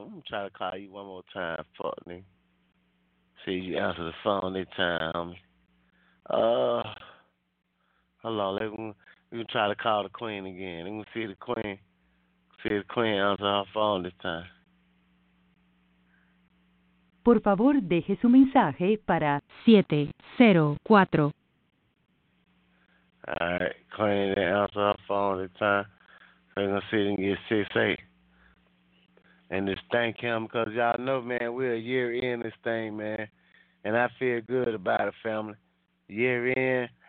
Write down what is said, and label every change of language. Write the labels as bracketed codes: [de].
[en] I'm going to try to call you one more time. Fuck me. See, you answer the phone this time. Hold on, let me try to call the queen again. Let me see the queen. See the queen answer her phone this time. [es] Por favor, deje su mensaje para 704. [en] All right, queen didn't answer her phone this time. So we're going to see if we can get 6-8. And just thank him, because y'all know, man, we're a year in this thing, man. And I feel good about it, family. Year in.